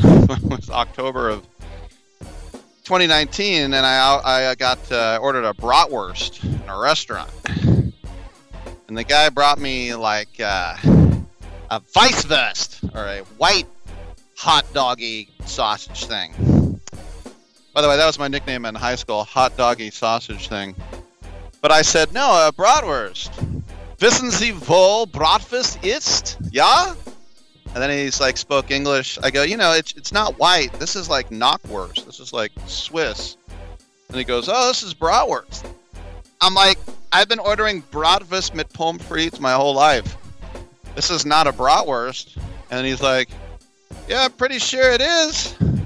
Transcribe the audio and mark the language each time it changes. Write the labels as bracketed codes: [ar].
[en] It was October of 2019, and I ordered a bratwurst in a restaurant. And the guy brought me, like, a Weisswurst, or a white hot doggy sausage thing. By the way, that was my nickname in high school, hot doggy sausage thing. But I said, no, a bratwurst. [de] Wissen Sie wohl Bratwurst ist? Ja? [en] And then he's like, spoke English. I go, you know, it's not white. This is like knockwurst. This is like Swiss. And he goes, oh, this is bratwurst. I'm like, I've been ordering bratwurst [de] mit pommes frites [en] my whole life. This is not a bratwurst. And he's like, yeah, I'm pretty sure it is.